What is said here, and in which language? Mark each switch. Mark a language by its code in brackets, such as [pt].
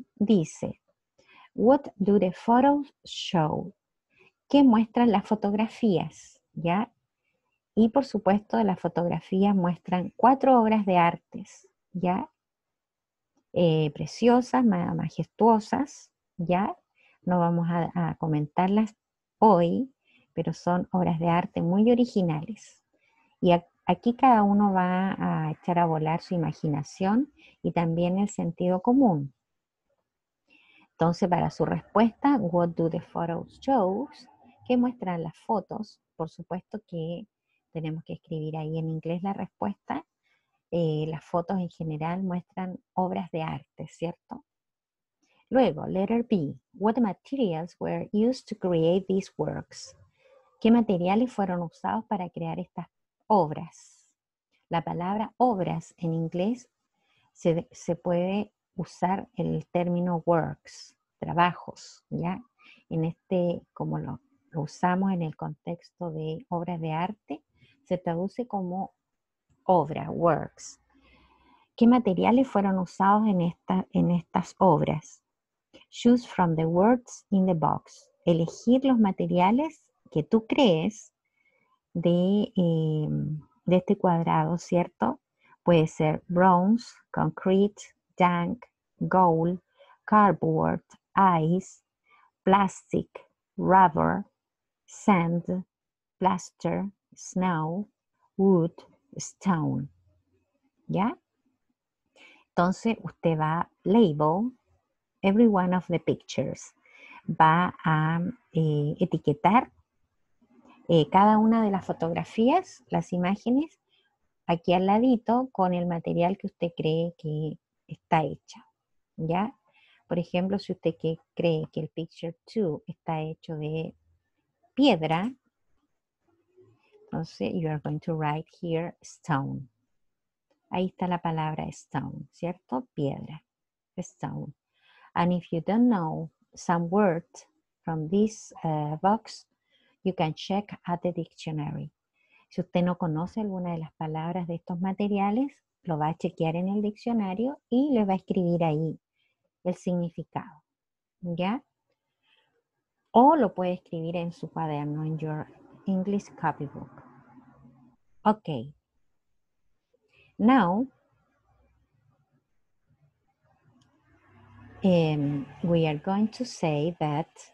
[es] Dice, [en] what do the photos show? [es] ¿Qué muestran las fotografías? ¿Ya? Y por supuesto, las fotografías muestran 4 obras de artes, ¿ya? Preciosas, majestuosas, ¿ya? No vamos a comentarlas hoy, pero son obras de arte muy originales. Y aquí cada uno va a echar a volar su imaginación y también el sentido común. Entonces, para su respuesta, [en] what do the photos show? [es] ¿Qué muestran las fotos? Por supuesto que tenemos que escribir ahí en inglés la respuesta. Las fotos en general muestran obras de arte, ¿cierto? Luego, [en] letter B. What materials were used to create these works? [es] ¿Qué materiales fueron usados para crear estas obras? La palabra obras en inglés se puede usar el término works, trabajos, ¿ya? En este, como lo usamos en el contexto de obras de arte, se traduce como obra, works. ¿Qué materiales fueron usados en estas obras? [en] Choose from the words in the box. [es] Elegir los materiales que tú crees de este cuadrado, ¿cierto? Puede ser [en] bronze, concrete, dank, gold, cardboard, ice, plastic, rubber, sand, plaster, snow, wood, stone. ¿Ya? [es] Entonces usted va a [en] label every one of the pictures. [es] Va a etiquetar cada una de las fotografías, las imágenes, aquí al ladito con el material que usted cree que está hecha. ¿Ya? Por ejemplo, si usted cree que el picture 2 está hecho de piedra, entonces [en] you are going to write here stone. [es] Ahí está la palabra stone, ¿cierto? Piedra, stone. [en] And if you don't know some words from this box, you can check at the dictionary. [es] Si usted no conoce alguna de las palabras de estos materiales, lo va a chequear en el diccionario y le va a escribir ahí el significado. ¿Ya? O lo puede escribir en su cuaderno, en [en] your English copybook. Ok. Now, we are going to say that